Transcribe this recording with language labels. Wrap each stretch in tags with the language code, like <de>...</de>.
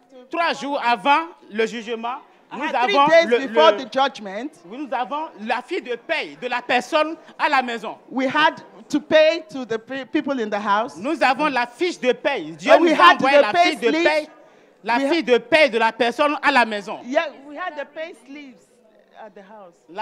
<fr>3 jours avant le jugement, nous avons nous avons la fille de paye de la personne à la maison.</fr> <en>We had to pay to the people in the house.</en> <fr>Nous avons la fiche de paye. Dieu nous a envoyé la fiche de paye. La fiche de paye de la personne à la maison.</fr> <en>Yeah, we had the pay slips at the house.</en>